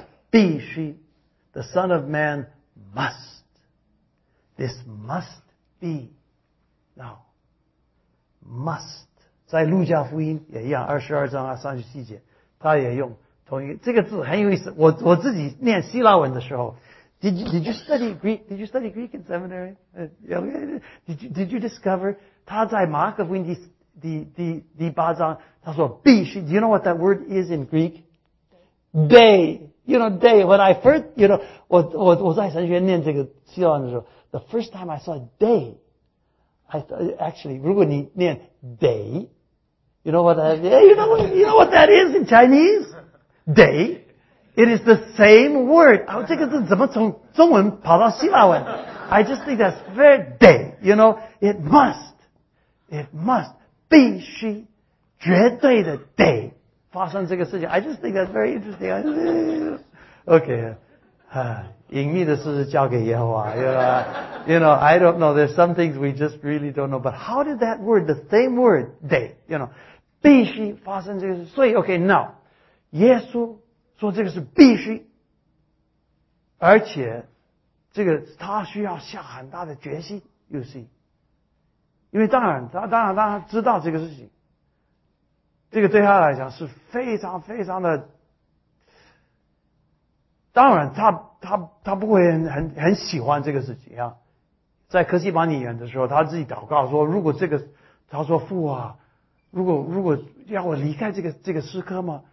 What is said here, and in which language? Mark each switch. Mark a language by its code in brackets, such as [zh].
[zh] 必须， [en] The Son of Man must, This must be now, must, [zh] 在路加福音也一样，22章37节他也用同一个，这个字很有意思， 我自己念希腊文的时候， [en] Did you study Greek? Did you study Greek in seminary? Did you discover? [zh] 他在马可福音第八章，他说必须。 [en] Do you know what that word is in Greek? Day. You know day. When I first, you know, [zh] 我在神学念这个希腊文的时候 [en] ，the first time I saw day, I thought, actually, [zh] 如果你念 [en] day, you know what that? Yeah, you know what that is in Chinese? Day. It is the same word. [zh] 这个字怎么从中文跑到希腊文？ [en] I just think that's very day. You know, it must, [zh] 必须，绝对的 [en] day [zh] 发生这个事情。 [en] I just think that's very interesting. Okay, [zh] 隐秘的事是交给耶和华。 [en] You know, I don't know. There's some things we just really don't know. But how did that word, the same word, day, you know, [zh] 必须发生这个事？所以 ，Okay, now, 耶稣。说这个是必须，而且这个他需要下很大的决心 ，you see， 因为当然知道这个事情，这个对他来讲是非常非常的，当然他不会很喜欢这个事情啊，在科西玛尼园的时候，他自己祷告说，如果这个他说父啊，如果要我离开这个时刻吗？